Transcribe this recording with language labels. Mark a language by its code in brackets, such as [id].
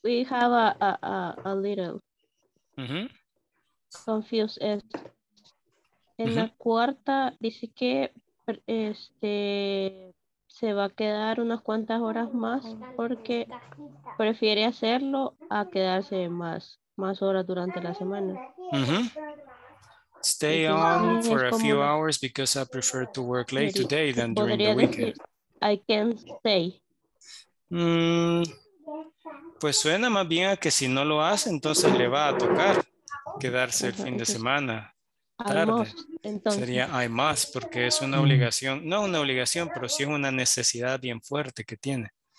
[en] We have a little mm-hmm. confused. En mm-hmm. [es] la cuarta dice que se va a quedar unas cuantas horas más porque prefiere hacerlo a quedarse más horas durante la semana. Mm-hmm. [en] Stay on for a few hours because I prefer to work late today than during the weekend. I can stay. [es] Pues suena más bien a que si no lo hace, entonces le va a tocar quedarse el fin de semana tarde. Sería [en] I must, [es] porque es una obligación. No una obligación, pero sí es una necesidad bien fuerte que tiene.